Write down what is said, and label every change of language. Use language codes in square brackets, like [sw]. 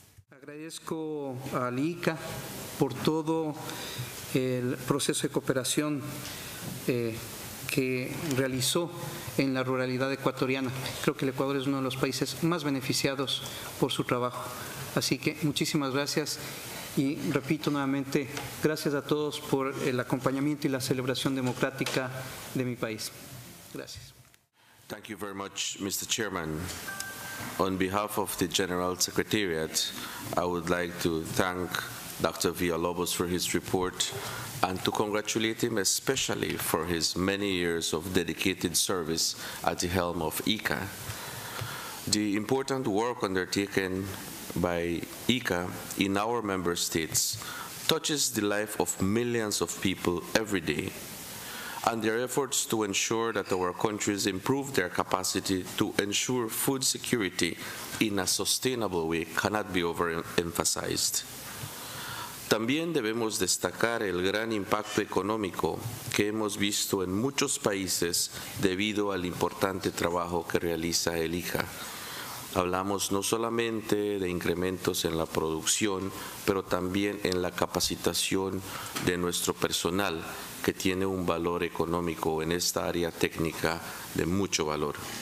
[es] Agradezco al IICA por todo el proceso de cooperación que realizó en la ruralidad ecuatoriana. Creo que el Ecuador es uno de los países más beneficiados por su trabajo. Así que muchísimas gracias. Y repito nuevamente, gracias a todos por el acompañamiento y la celebración democrática de mi país. Gracias. [en] Thank you very much, Mr. Chairman. On behalf of the General Secretariat, I would like to thank Dr. Villalobos for his report and to congratulate him especially for his many years of dedicated service at the helm of IICA. The important work undertaken by IICA in our member states touches the life of millions of people every day, and their efforts to ensure that our countries improve their capacity to ensure food security in a sustainable way cannot be overemphasized. [es] También debemos destacar el gran impacto económico que hemos visto en muchos países debido al importante trabajo que realiza el IICA. Hablamos no solamente de incrementos en la producción, pero también en la capacitación de nuestro personal, que tiene un valor económico en esta área técnica de mucho valor.